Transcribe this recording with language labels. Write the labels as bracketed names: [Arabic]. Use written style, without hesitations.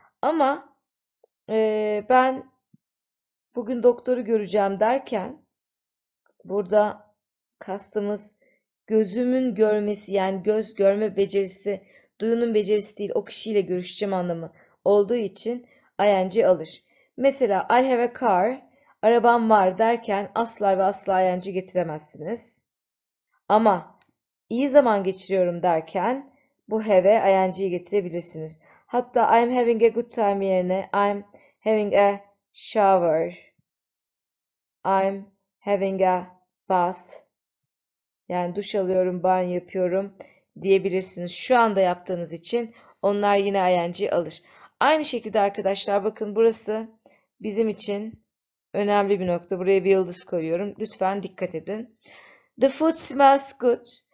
[Turkish] Ama ben bugün doktoru göreceğim derken burada kastımız gözümün görmesi yani göz görme becerisi, duyunun becerisi değil o kişiyle görüşeceğim anlamı olduğu için ing alır. Mesela [English] I have a car, [Turkish] arabam var derken asla ve asla ing getiremezsiniz. Ama iyi zaman geçiriyorum derken bu have'e ing'i getirebilirsiniz. Hatta [English] I'm having a good time [Turkish] yerine [English] I'm having a shower. I'm having a bath. [Turkish] Yani duş alıyorum, banyo yapıyorum diyebilirsiniz. Şu anda yaptığınız için onlar yine ing alır. Aynı şekilde arkadaşlar bakın burası bizim için önemli bir nokta. Buraya bir yıldız koyuyorum. Lütfen dikkat edin. [English] The food smells good.